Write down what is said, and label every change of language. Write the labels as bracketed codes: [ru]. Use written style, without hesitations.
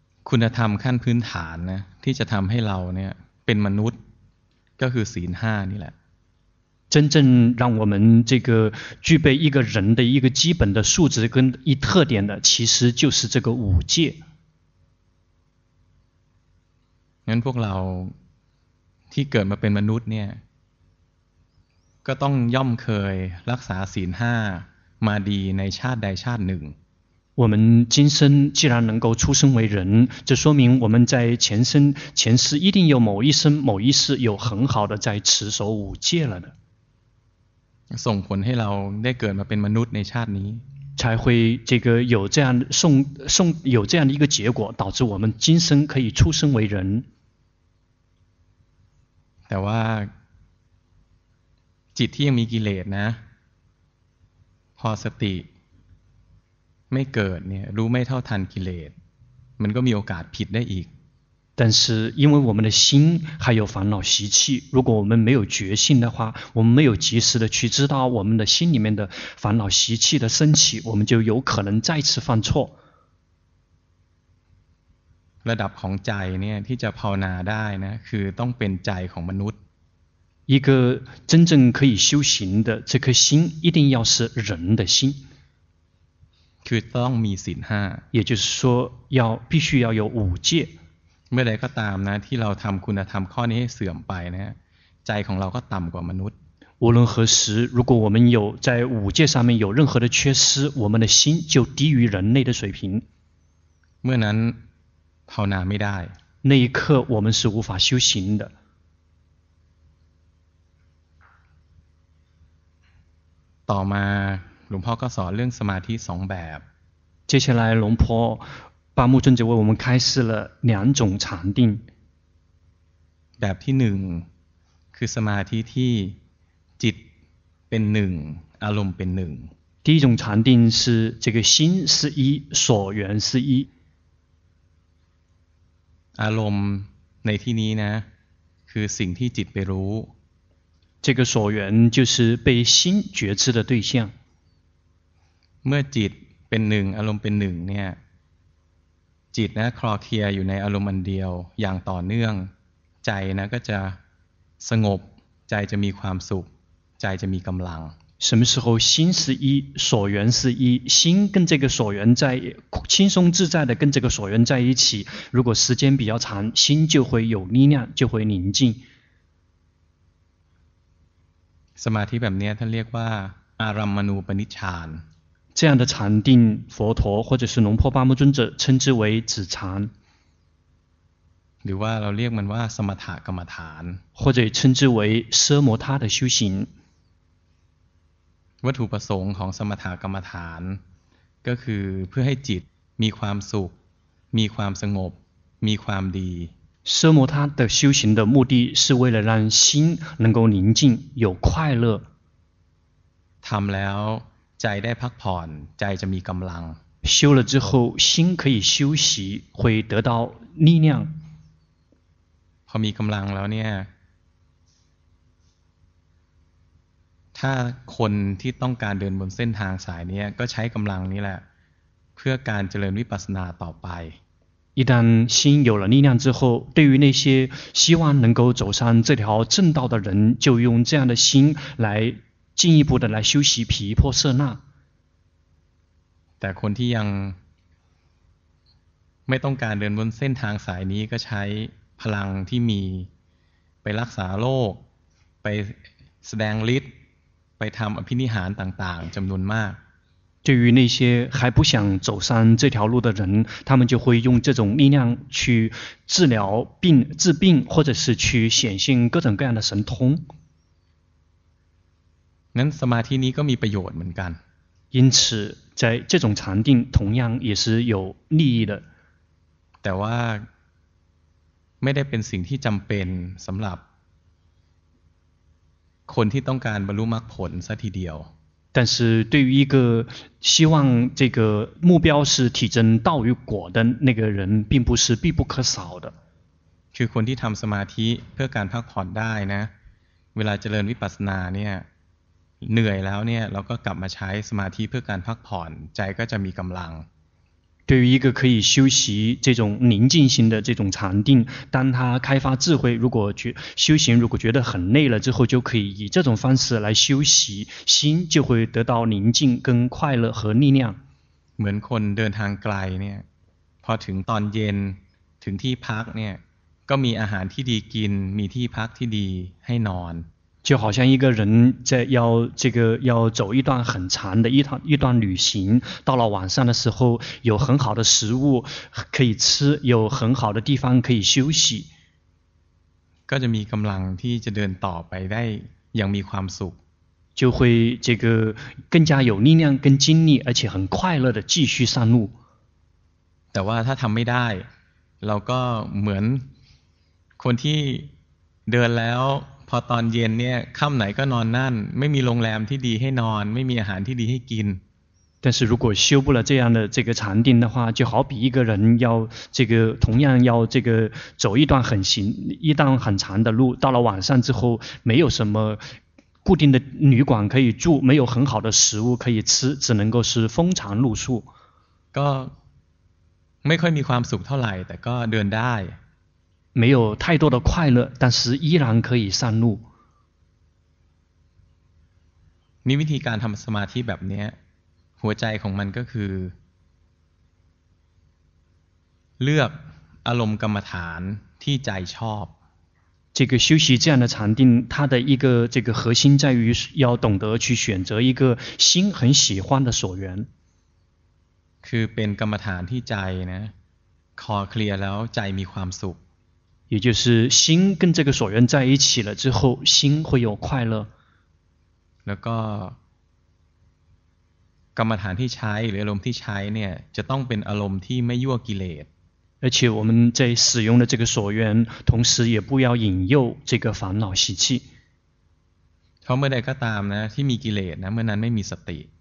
[th] คุณธรรมขั้นพื้นฐานนะที่จะทำให้เราเนี่ยเป็นมนุษย์ก็คือศีลห้านี่แหละ [zh] 真正让我们这个具备一个人的一个基本的素质跟一特点的其实就是这个五戒 [th] งั้นพวกเราที่เกิดมาเป็นมนุษย์เนี่ยก็ต้องย่อมเคยรักษาศีลห้ามาดีในชาติใดชาติหนึ่ง [zh] 我们今生既然能够出生为人，这说明我们在前生前世一定有某一生某一世有很好的在持守五戒了的。送魂 [th] ให้เราได้เกิดมาเป็นมนุษย์ในชาตินี้ [zh] 才会这个有这样送有这样的一个结果，导致我们今生可以出生为人。 [th] แต่ว่าจิตที่ยังมีกิเลสนะพอสติไม่เกิดเนี่ยรู้ไม่เท่าทันกิเลสมันก็มีโอกาสผิดได้อีก [zh] 但是因为我们的心还有烦恼习气如果我们没有觉性的话我们没有及时的去知道我们的心里面的烦恼习气的升起我们就有可能再次犯错 [th] ระดับของใจเนี่ยที่จะภาวนาได้นะคือต้องเป็นใจของมนุษย์ [zh] 一个真正可以修行的这颗心一定要是人的心 [th] คือต้องมีศีลห้า [zh] 也就是说要必须要有五戒 [th] เมื่อใดก็ตามนะที่เราทำคุณธรรมข้อนี้ให้เสื่อมไปนะใจของเราก็ต่ำกว่ามนุษย์ [zh] 无论何时如果我们有在五戒上面有任何的缺失我们的心就低于人类的水平 [th] เมื่อนั้น ภาวนาไม่ได้ [zh] 那一刻我们是无法修行的 [th] ต่อมาหลวงพ่อก็สอนเรื่องสมาธิ2แบบ [zh] 接下来龙婆八木尊者为我们开示了两种禅定 [th] แบบที่1คือสมาธิที่จิตเป็น1อารมณ์เป็น1 [zh] 第一种禅定是这个心是一所缘是一 [th] อารมณ์ในที่นี้นะคือสิ่งที่จิตไปรู้ [zh] 这个所缘就是被心觉知的对象 [th] เมื่อจิตเป็น1อารมณ์เป็น1เนี่ยจิตนะคลอเคลียอยู่ในอารมณ์อันเดียวอย่างต่อเนื่องใจนะก็จะสงบใจจะมีความสุขใจจะมีกำลัง [zh] 什么时候心是一所缘是一心跟这个所缘在轻松自在的跟这个所缘在一起如果时间比较长心就会有力量就会宁静 [th] สมาธิแบบนี้ท่านเรียกว่าอารัมมณูปนิชฌาน [zh] 这样的禅定佛陀或者是龙婆巴木尊者称之为止禅 [th] หรือว่าเราเรียกมันว่าสมถกรรมฐาน [zh] 或者称之为奢摩他的修行 [th] วัตถุประสงค์ของสมถกรรมฐานก็คือเพื่อให้จิตมีความสุขมีความสงบมีความดี [zh] 奢摩他的修行的目的是为了让心能够宁静有快乐 [th] ทำแล้วใจได้พักผ่อนใจจะมีกำลัง [zh] 修了之后心可以休息会得到力量 [th] พอมีกำลังแล้วเนี่ยถ้าคนที่ต้องการเดินบนเส้นทางสายนี้ก็ใช้กำลังนี้แหละเพื่อการเจริญวิปัสสนาต่อไป [zh] 一旦心有了力量之后对于那些希望能够走上这条正道的人就用这样的心来进一步的来修习毗婆舍那 [th] แต่คนที่ยังไม่ต้องการเดินบนเส้นทางสายนี้ก็ใช้พลังที่มีไปรักษาโรคไปแสดงฤทธิ์ไปทำอภินิหารต่างๆจำนวนมาก [zh] 对于那些还不想走上这条路的人他们就会用这种力量去治疗病治病或者是去显现各种各样的神通 [th] นั้นสมาธินี้ก็มีประโยชน์เหมือนกัน [zh] 因此在这种禅定同样也是有利益的 [th] แต่ว่าไม่ได้เป็นสิ่งที่จำเป็นสำหรับคนที่ต้องการบรรลุมรรคผลซะทีเดียว [zh] 但是对于一个希望这个目标是体证道与果的那个人并不是必不可少的 [th] คือคนที่ทำสมาธิเพื่อการพักผ่อนได้นะเวลาเจริญวิปัสสนาเนี่ยเหนื่อยแล้วเนี่ยเราก็กลับมาใช้สมาธิเพื่อการพักผ่อนใจก็จะมีกำลัง [zh] 对于一个可以修习这种宁静心的这种禅定当他开发智慧如果修行如果觉得很累了之后就可以以这种方式来修习心就会得到宁静跟快乐和力量 [th] เหมือนคนเดินทางไกลเนี่ยพอถึงตอนเย็นถึงที่พักเนี่ยก็มีอาหารที่ดีกินมีที่พักที่ดีให้นอน [zh] 就好像一个人在要这个要走一段很长的一段旅行到了晚上的时候有很好的食物可以吃有很好的地方可以休息 [th] ก็จะมีกำลังที่จะเดินต่อไปได้อย่างมีความสุข [zh] 就会这个更加有力量跟精力而且很快乐的继续上路 [th] แต่ว่าถ้าทำไม่ได้เราก็เหมือนคนที่เดินแล้วพอตอนเย็นเนี่ยค่ำไหนก็นอนนั่นไม่มีโรงแรมที่ดีให้นอนไม่มีอาหารที่ดีให้กิน [zh] 但是如果修不了这样的这个禅定的话就好比一个人要这个同样要这个走一段很长的路到了晚上之后没有什么固定的旅馆可以住没有很好的食物可以吃只能够是风餐露宿 [th] ก็ไม่ค่อยมีความสุขเท่าไหร่แต่ก็เดินได้ [zh] 没有太多的快乐但是依然可以上路 [th] มีวิธีการทำสมาธิแบบนี้หัวใจของมันก็คือเลือกอารมณ์กรรมฐานที่ใจชอบ [zh] 这个修习这样的禅定它的一个这个核心在于要懂得去选择一个心很喜欢的所缘 [th] คือเป็นกรรมฐานที่ใจนะ คอเคลียร์แล้วใจมีความสุข [zh] 也就是心跟这个所缘在一起了之后心会有快乐 [th] แล้วก็กรรมฐานที่ใช้หรืออารมณ์ที่ใช้เนี่ยจะต้องเป็นอารมณ์ที่ไม่ยั่วกิเลส [zh] 而且我们在使用的这个所缘同时也不要引诱这个烦恼习气 [th] เพราะเมื่อใดก็ตามนะที่มีกิเลสนะเมื่อนั้นไม่มีสติ